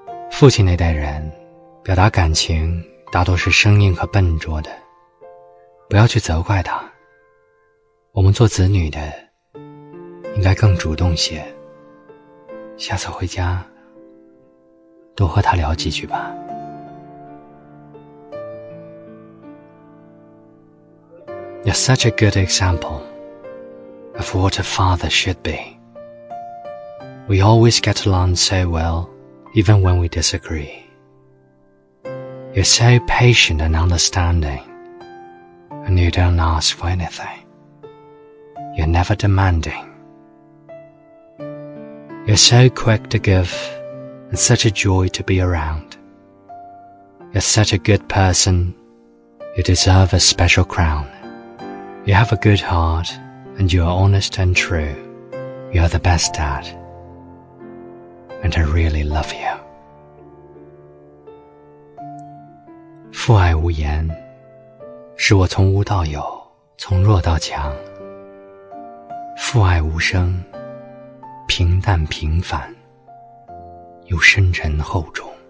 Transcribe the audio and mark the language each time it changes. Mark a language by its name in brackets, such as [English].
[Chinese] 父亲那代人表达感情大多是生硬和笨拙的，不要去责怪他，我们做子女的应该更主动些，下次回家多和他聊几句吧。 [English] You're such a good example of what a father should be. We always get along so well, even when we disagree. You're so patient and understanding, and you don't ask for anything. You're never demanding. You're so quick to give, and such a joy to be around. You're such a good person, you deserve a special crown. You have a good heart, and you are honest and true. You are the best dad, and I really love you. [Chinese] 父爱无言，是我从无到有，从弱到强。父爱无声，平淡平凡，又深沉厚重。